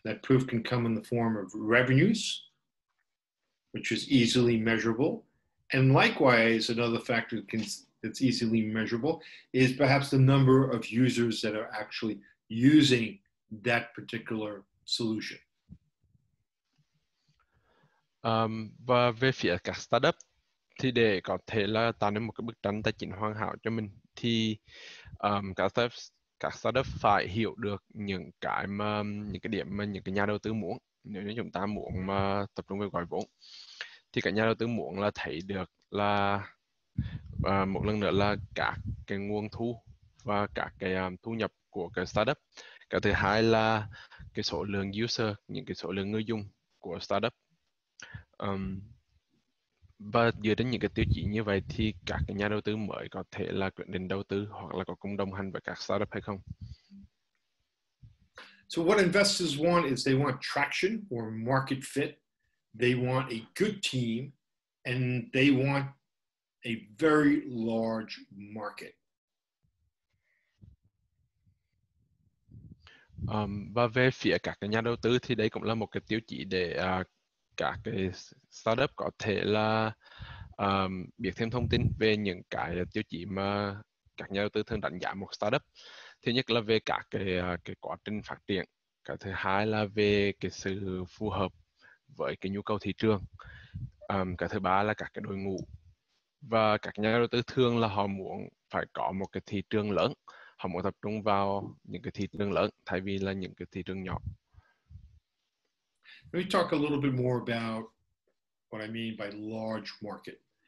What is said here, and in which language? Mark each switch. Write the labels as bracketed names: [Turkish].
[English] That proof can come in the form of revenues, which is easily measurable. And likewise, another factor that's easily measurable is perhaps the number of users that are actually using that particular solution. [Vietnamese] Và về phía các startup thì để có thể là tạo nên một cái bức tranh tài chính hoàn hảo cho mình thì các startup phải hiểu được những cái mà những cái điểm mà những cái nhà đầu tư muốn. Nếu như chúng ta muốn mà tập trung về gọi vốn thì các nhà đầu tư muốn là thấy được là một lần nữa là các cái nguồn thu và các cái thu nhập của cái startup. Cái thứ hai là cái số lượng user, những cái số lượng người dùng của startup. Và dựa trên những cái tiêu chí như vậy thì các cái nhà đầu tư mới có thể là quyết định đầu tư hoặc là có cùng đồng hành với các startup hay không. [English] So what investors want is they want traction or market fit. They want a good team and they want a very large market. [Vietnamese] Và về phía các cái nhà đầu tư thì đây cũng là một cái tiêu chí để các cái startup có thể là biết thêm thông tin về những cái tiêu chí mà các nhà đầu tư thường đánh giá một startup. Thứ nhất là về các cái quá trình phát triển. Cái thứ hai là về cái sự phù hợp với cái nhu cầu thị trường. Cái thứ ba là các cái đội ngũ. Và các nhà đầu tư thường là họ muốn phải có một cái thị trường lớn. Họ muốn tập trung vào những cái thị trường lớn thay vì là những cái thị trường nhỏ. [English] Let me talk a little bit more about what I mean by large market.